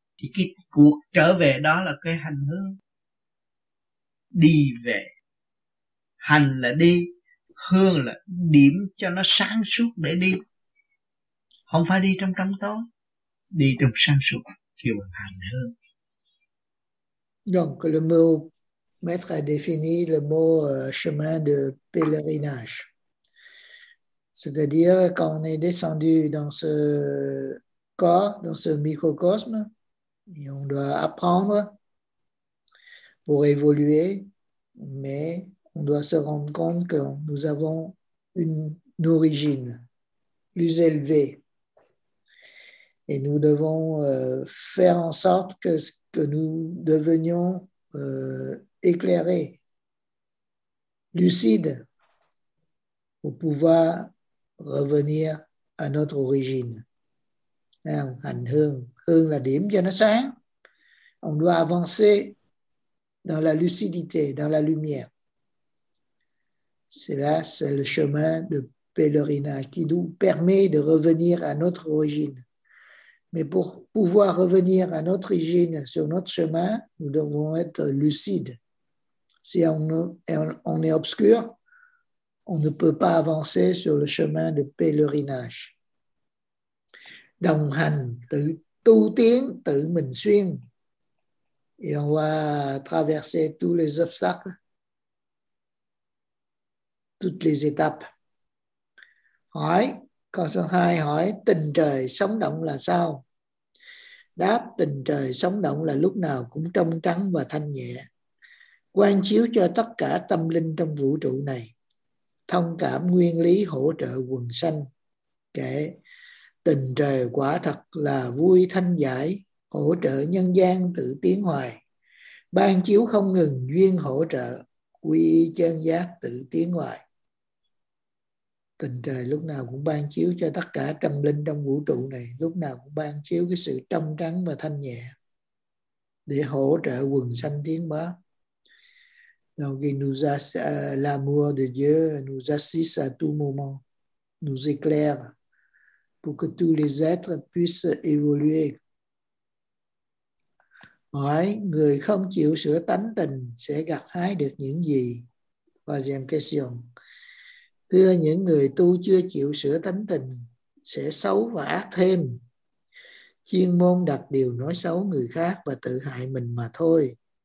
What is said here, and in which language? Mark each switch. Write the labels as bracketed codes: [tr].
[vi] Thì cái cuộc trở về đó là cái hành hương. Đi về. Hành là đi, hương là điểm cho nó sáng suốt để đi. Không phải đi trong tâm tối, đi trong sáng suốt kêu bằng hành hương. [fr] Donc le mot maître a défini le mot chemin de pèlerinage. C'est-à-dire quand on est descendu dans ce corps, dans ce microcosme, et on doit apprendre pour évoluer, mais on doit se rendre compte que nous avons une origine plus élevée. Et nous devons faire en sorte que ce que nous devenions éclairés, lucides, pour pouvoir revenir à notre origine. [vi] Hành hương, hương là điểm cho nó sáng. [fr] On doit avancer dans la lucidité, dans la lumière. C'est là, c'est le chemin de pèlerinage qui nous permet de revenir à notre origine. Mais pour pouvoir revenir à notre origine, sur notre chemin, nous devons être lucides. Si on est obscur, on ne peut pas avancer sur le chemin de pèlerinage. [vi] Đồng hành, tự tu tiến, tự mình xuyên. [fr] Et on va traverser tous les obstacles, toutes les étapes. [vi] Hỏi, câu số 2 hỏi, tình trời sống động là sao? Đáp, tình trời sống động là lúc nào cũng trong trắng và thanh nhẹ, quan chiếu cho tất cả tâm linh trong vũ trụ này, thông cảm nguyên lý hỗ trợ quần sanh. Kể, tình trời quả thật là vui thanh giải, hỗ trợ nhân gian tự tiến hoài, ban chiếu không ngừng duyên hỗ trợ, quy chân giác tự tiến hoài. Tình trời lúc nào cũng ban chiếu cho tất cả tâm linh trong vũ trụ này, lúc nào cũng ban chiếu cái sự trong trắng và thanh nhẹ để hỗ trợ quần sanh tiến hóa. [fr] Donc il nous a l'amour de Dieu nous assiste à tout moment, nous éclaire pour que tous les êtres puissent évoluer. [vi] Hỏi, người không chịu sửa tánh tình sẽ gặt hái được những gì? [fr] Troisième question. [vi] Thưa, những người tu chưa chịu sửa tánh tình sẽ xấu và ác thêm. Chuyên môn đặt điều nói xấu người khác và tự hại mình mà thôi.